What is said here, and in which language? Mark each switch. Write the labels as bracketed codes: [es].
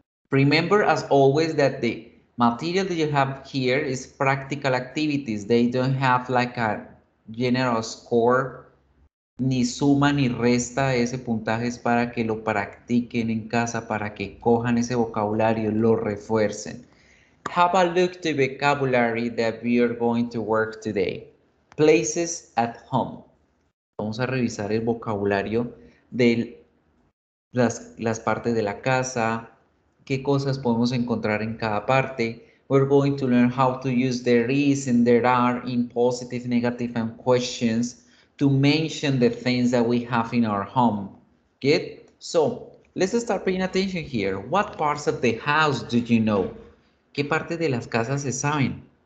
[en] Remember as always that the material that you have here is practical activities. They don't have like a general score [es] ni suma ni resta ese puntaje, es para que lo practiquen en casa, para que cojan ese vocabulario, lo refuercen. [en] Have a look at the vocabulary that we are going to work today. Places at home. [es] Vamos a revisar el vocabulario de las partes de la casa, qué cosas podemos encontrar en cada parte. [en] We're going to learn how to use there is and there are in positive, negative, and questions to mention the things that we have in our home. Good? So, let's start paying attention here. What parts of the house do you know? [es] ¿Qué partes de las casas se saben?